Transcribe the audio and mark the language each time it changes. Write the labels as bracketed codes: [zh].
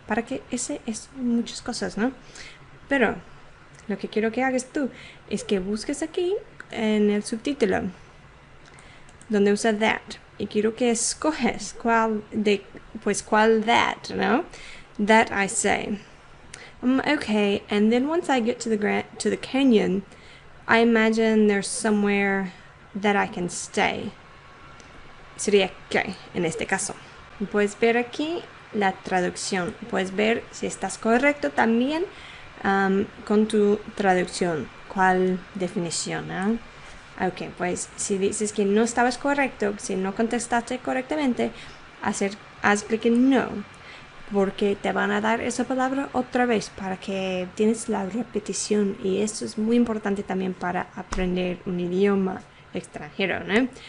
[es] Para que ese es muchas cosas, ¿no? Pero lo que quiero que hagas tú es que busques aquí en el subtítulo donde usa that y quiero que escoges cuál that, ¿no? [en] That I say. Okay, and then once I get to the grand, to the canyon, I imagine there's somewhere that I can stay. [es] Sería que en este caso. Puedes ver aquí la traducción. Puedes ver si estás correcto también. Con tu traducción, ¿cuál definición? ¿No? Ok, pues si dices que no estabas correcto, si no contestaste correctamente, haz clic en no, porque te van a dar esa palabra otra vez para que tienes la repetición y eso es muy importante también para aprender un idioma extranjero, ¿no?